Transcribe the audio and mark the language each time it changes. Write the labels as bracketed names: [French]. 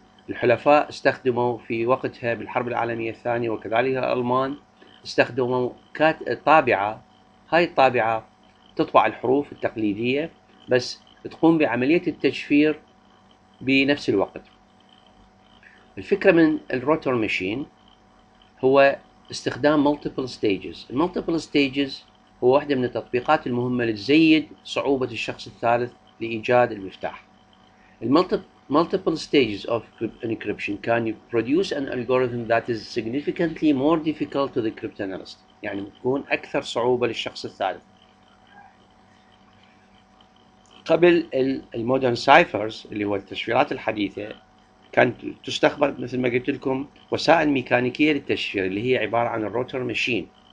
[Arabic] الحلفاء استخدموا في وقتها بالحرب العالمية الثانية، وكذلك الألمان استخدموا طابعة، هاي الطابعة تطبع الحروف التقليدية بس تقوم بعملية التشفير بنفس الوقت. الفكرة من الروتر ماشين هو استخدام multiple stages. multiple stages هو واحدة من التطبيقات المهمة لتزيد صعوبة الشخص الثالث لإيجاد المفتاح. [English] multiple stages of encryption can produce an algorithm that is significantly more difficult to the cryptanalyst. [Arabic] يعني تكون أكثر صعوبة للشخص الثالث. قبل المودرن سايفرز اللي هو التشفيرات الحديثة كانت تستخدم مثل ما قلت لكم وسائل ميكانيكية للتشفير اللي هي عبارة عن الروتر ماشين.